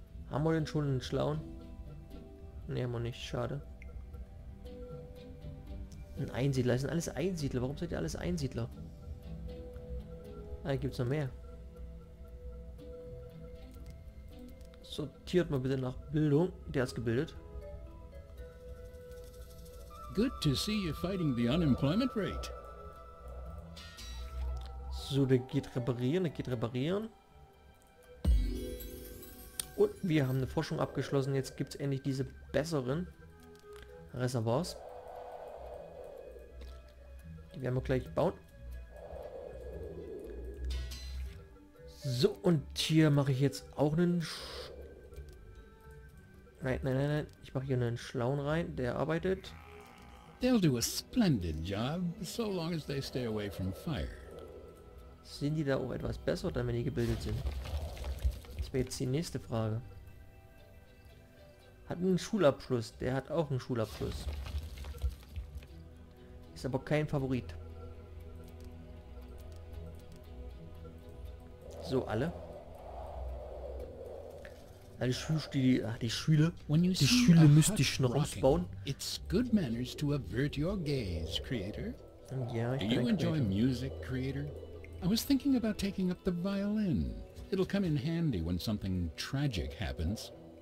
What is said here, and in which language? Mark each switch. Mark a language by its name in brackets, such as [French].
[German] Haben wir denn schon einen schlauen? Ne, haben wir nicht. Schade. Ein Einsiedler. Das sind alles Einsiedler. Warum seid ihr alles Einsiedler? Ah, hier gibt es noch mehr. Sortiert mal bitte nach Bildung. Der ist gebildet. [English] Good to see you fighting the unemployment rate. [German] So, der geht reparieren. Der geht reparieren. Und wir haben eine Forschung abgeschlossen. Jetzt gibt es endlich diese besseren Reservoirs. Die werden wir gleich bauen. So, und hier mache ich jetzt auch einen... Nein. Ich mache hier einen Schlauen rein, der arbeitet. [English] They'll do a splendid job, so long as they stay away from fire. [German] Sind die da auch etwas besser, dann wenn die gebildet sind? Jetzt die nächste Frage. Hat einen Schulabschluss. Der hat auch einen Schulabschluss. Ist aber kein Favorit. So, alle. Alle Schüler. Die Schüler müsste ich noch ausbauen. [English] It's good manners to avert your gaze, Creator. [German] Ja, ich [English] Do you enjoy music, Creator? I was thinking about taking up the violin. It'll come in handy when something tragic happens.